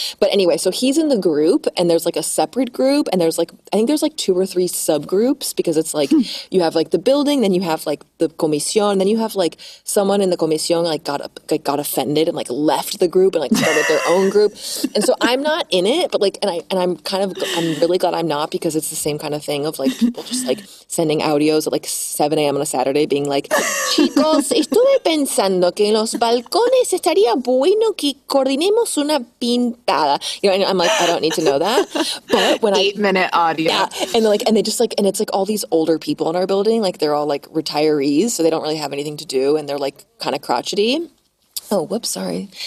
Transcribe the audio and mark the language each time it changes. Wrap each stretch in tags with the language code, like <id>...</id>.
<en>But anyway, so he's in the group and there's like a separate group. And there's like, I think there's like two or three subgroups because it's like, you have like the building, then you have like the comisión. Then you have like someone in the comisión, got offended and like left the group and like started their own group. And so I'm not in it, but like, I'm really glad I'm not, because it's the same kind of thing of like people just like sending audios at like 7 a.m. on a Saturday being like,</en> <es>chicos, estuve pensando que en los balcones estaría bueno que coordinemos una pintada.</es> <en>You know, and I'm like, I don't need to know that. But when 8-minute audio. Yeah, and like, and they just like, and it's like all these older people in our building, like they're all like retirees, so they don't really have anything to do and they're like kind of crotchety. Oh, whoops, sorry.</en>